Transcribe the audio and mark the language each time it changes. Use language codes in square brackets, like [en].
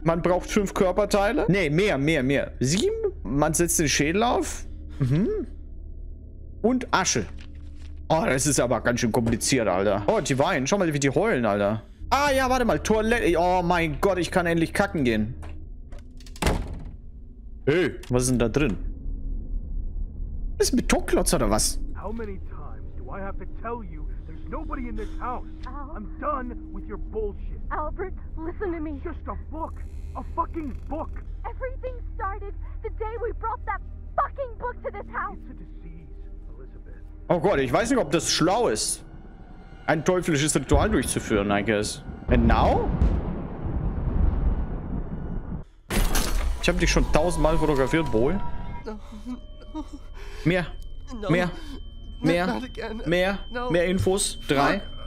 [de] Man braucht 5 Körperteile. Nee, mehr. 7. Man setzt den Schädel auf. Und Asche. Oh, das ist aber ganz schön kompliziert, Alter. Oh, die weinen. Schau mal, wie die heulen, Alter. Ah ja, warte mal. Toilette. Oh mein Gott, ich kann endlich kacken gehen. Hey, was ist denn da drin? Das ist ein Betonklotz oder was? [en] How many times do I have to tell you there's nobody in this house? Al. I'm done with your bullshit. Albert, listen to me. Just a book. A fucking book. Everything started the day we brought that fucking book to this house. It's a disease, Elizabeth. [de] Oh Gott, ich weiß nicht, ob das schlau ist, ein teuflisches Ritual durchzuführen, [en] I guess. And now? [de] Ich hab dich schon 1000 Mal fotografiert, Boy. Mehr. No. Mehr. Mehr. Mehr. No. Mehr Infos. 3.